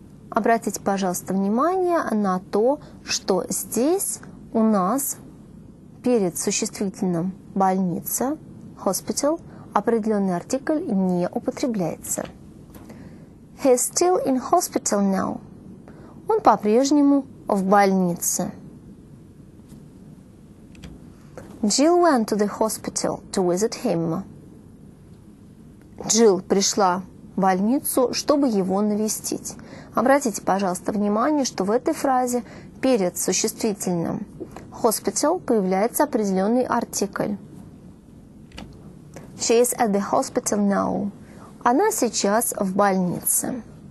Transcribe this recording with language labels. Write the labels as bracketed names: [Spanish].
[Russian] Обратите, пожалуйста, внимание на то, что здесь у нас перед существительным больница, hospital, определенный артикль не употребляется. [English] He's still in hospital now. [Russian] Он по-прежнему в больнице. [English] Jill went to the hospital to visit him. [Russian] Jill пришла в больницу, чтобы его навестить. Обратите, пожалуйста, внимание, что в этой фразе перед существительным hospital появляется определенный артикль. [English] She is at the hospital now. [Russian] Она сейчас в больнице.